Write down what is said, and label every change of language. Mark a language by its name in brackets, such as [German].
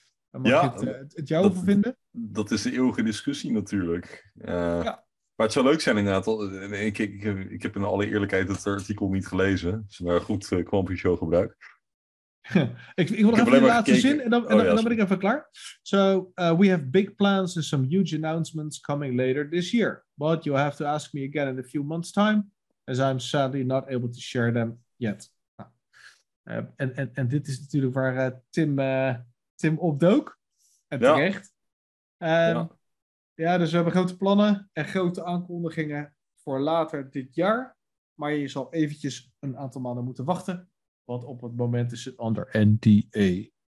[Dutch] Mag ik het jou over vinden? Dat is de eeuwige discussie natuurlijk. Maar het zou leuk zijn inderdaad. Ik heb in alle eerlijkheid het artikel niet gelezen. Het is maar goed Quantum Show gebruikt. ik wil nog even de laatste zin en dan ben ik even klaar. [English] So, we have big plans and some huge announcements coming later this year. But you'll have to ask me again in a few months time, as I'm sadly not able to share them yet. [Dutch] En dit is natuurlijk waar Tim opdook. En terecht. Ja, dus we hebben grote plannen en grote aankondigingen voor later dit jaar. Maar je zal eventjes een aantal maanden moeten wachten. Want op het moment is het onder NDA.